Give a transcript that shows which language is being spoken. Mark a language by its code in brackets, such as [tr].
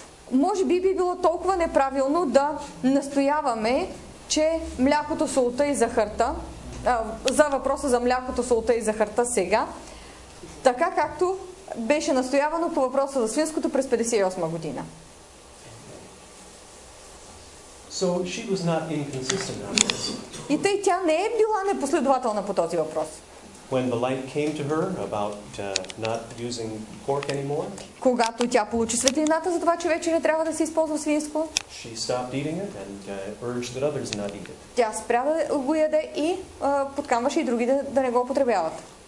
[bg] може би би било толкова неправилно да настояваме, че млякото, солта и захарта, за въпроса за млякото, солта и захарта сега, така както беше настоявано по въпроса за свинското през 58 година. [en] So she was not inconsistent on this. [bg] И тъй тя не е била непоследователна по този въпрос. [en] When the light came to her about not using pork anymore? [bg] Когато тя получи светлината за това, че вече не трябва да се използва свинско? [en] She stopped eating it and urged that others not eat it. [bg] Тя спря да го яде и подкамваше и други да не го употребяват.